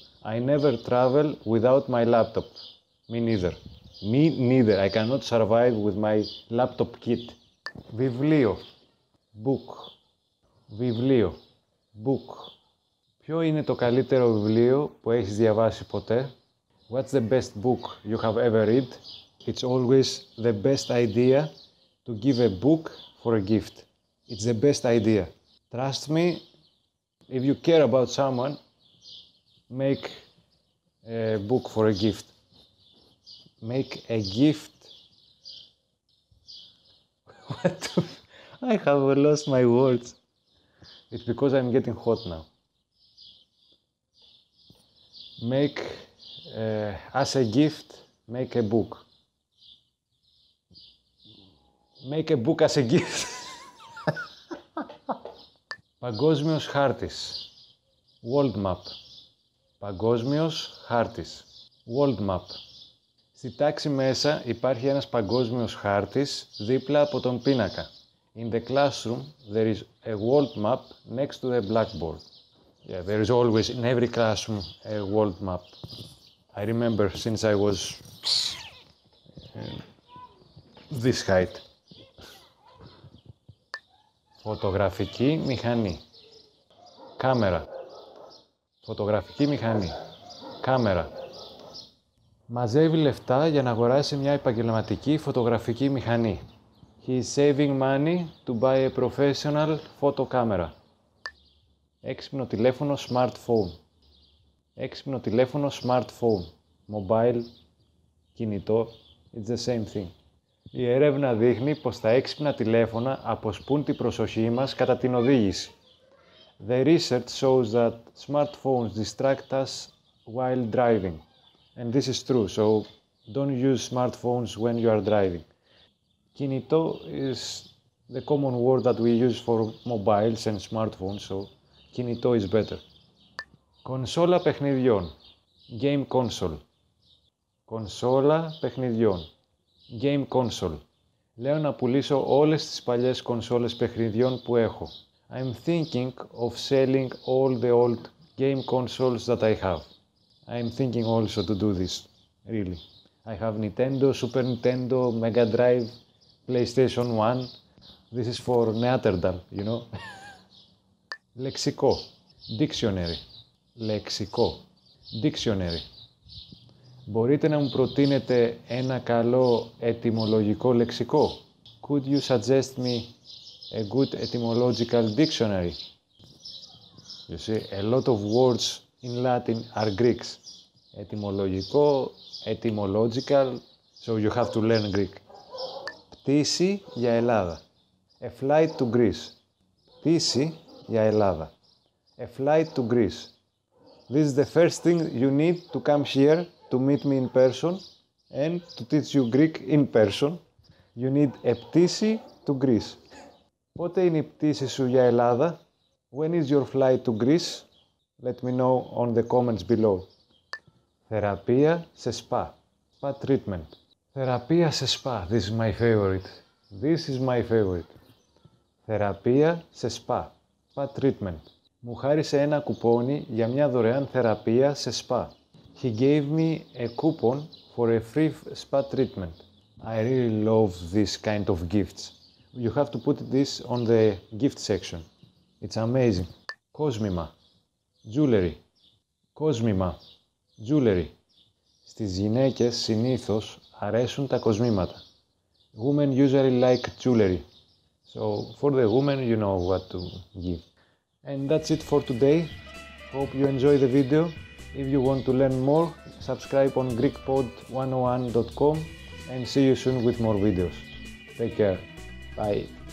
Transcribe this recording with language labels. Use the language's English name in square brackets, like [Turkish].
[English] I never travel without my laptop. Me neither. I cannot survive with my laptop kit. Βιβλίο. Book. Βιβλίο. Book. [Greek] Ποιο είναι το καλύτερο βιβλίο που έχεις διαβάσει ποτέ? [English] What's the best book you have ever read? It's always the best idea to give a book for a gift. It's the best idea. Trust me, if you care about someone, make a book for a gift. Make a gift. What? I have lost my words. It's because I'm getting hot now. Make as a gift, make a book. Make a book as a gift. [Greek] Παγκόσμιος χάρτης. World map. Παγκόσμιος χάρτης. World map. Στη τάξη μέσα υπάρχει ένας παγκόσμιος χάρτης δίπλα από τον πίνακα. [English] In the classroom there is a world map next to the blackboard. Yeah, there is always in every classroom a world map. I remember since I was this height. [Greek] Φωτογραφική μηχανή. Κάμερα. Φωτογραφική μηχανή. Κάμερα. Μαζεύει λεφτά για να αγοράσει μια επαγγελματική φωτογραφική μηχανή. [English] He is saving money to buy a professional photo camera. [Greek] Έξυπνο τηλέφωνο smartphone. Έξυπνο τηλέφωνο smartphone. [English] Mobile, κινητό, it's the same thing. [Greek] Η έρευνα δείχνει πως τα έξυπνα τηλέφωνα αποσπούν την προσοχή μας κατά την οδήγηση. [English] The research shows that smartphones distract us while driving. And this is true, so don't use smartphones when you are driving. Κινητό is the common word that we use for mobiles and smartphones, so κινητό is better. [Greek] Κονσόλα παιχνιδιών. Game console. Κονσόλα παιχνιδιών. Game console. Λέω να πουλήσω όλες τις παλιές κονσόλες παιχνιδιών που έχω. [English] I'm thinking of selling all the old game consoles that I have. I'm thinking also to do this, really. I have Nintendo, Super Nintendo, Mega Drive, PlayStation 1. This is for Neanderthal, you know. Λεξικό. Dictionary. Λεξικό. Dictionary. [Greek] Μπορείτε να μου προτείνετε ένα καλό ετυμολογικό λεξικό? [English] Could you suggest me a good etymological dictionary? You see, a lot of words in Latin are Greeks. Ετυμολογικό, etymological, so you have to learn Greek. [Greek] Πτήση για Ελλάδα. [English] A flight to Greece. [Greek] Πτήση για Ελλάδα. [English] A flight to Greece. This is the first thing you need to come here to meet me in person and to teach you Greek in person. You need a πτήση to Greece. [Greek] Πότε είναι η πτήση σου για Ελλάδα? [English] When is your flight to Greece? Let me know on the comments below. [Greek] Θεραπεία σε σπα. Spa treatment. Θεραπεία σε σπα. [English] This is my favorite. This is my favorite. [Greek] Θεραπεία σε σπα. [English] Spa treatment. [Greek] Μου χάρισε ένα κουπόνι για μια δωρεάν θεραπεία σε σπα. [English] He gave me a coupon for a free spa treatment. I really love this kind of gifts. You have to put this on the gift section. It's amazing. Κόσμημα. Jewelry. Κόσμημα. Jewelry. [Greek] Στις γυναίκες συνήθως αρέσουν τα κοσμήματα. [English] Women usually like jewelry. So for the women, you know what to give. And that's it for today. Hope you enjoy the video. If you want to learn more, subscribe on GreekPod101.com and see you soon with more videos. Take care. Bye.